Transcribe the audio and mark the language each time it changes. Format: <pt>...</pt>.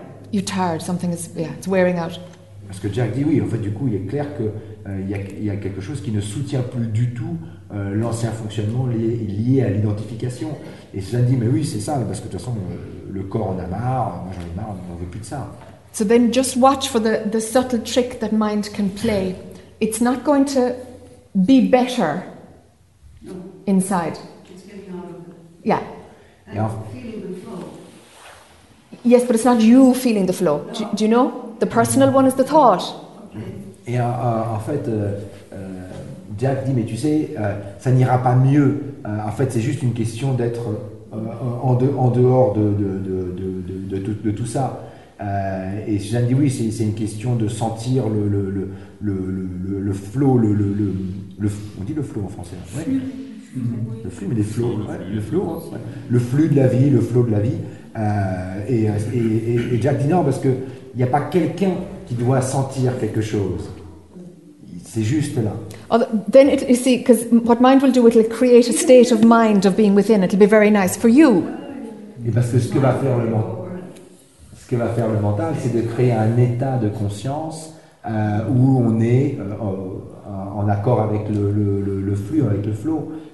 <en>You're tired, something is, yeah, it's wearing out.</en> <fr>Parce que Jack dit oui, en fait, du coup, il est clair que il y a quelque chose qui ne soutient plus du tout l'ancien fonctionnement lié à l'identification. Et Suzanne dit, mais oui, c'est ça, parce que de toute façon, le corps en a marre, moi j'en ai marre, on ne veut plus de ça.</fr> <en>So then just watch for the subtle trick that mind can play. It's not going to be better inside. It's getting out of it. Yeah. And yeah. Feeling the flow. Yes, but it's not you feeling the flow. No. Do you know? The personal one is the thought.</en> <fr>Et en fait, Jack dit, mais tu sais, ça n'ira pas mieux. En fait, c'est juste une question d'être en dehors de tout ça. Et Suzanne dit, oui, c'est une question de sentir le flow. On dit le flow en français. Hein, ouais. Le flux, mais les flots. Ouais, le flow. Hein, ouais. Le flux de la vie, le flow de la vie. Et Jack dit, non, parce que il n'y a pas quelqu'un qui doit sentir quelque chose. C'est juste là.</fr> <en>Then it, you see, because what mind will do, it'll create a state of mind of being within. It'll be very nice for you.</en> <fr>Et parce que ce que va faire le mental, c'est de créer un état de conscience où on est en accord avec le flux, avec le flow.</fr>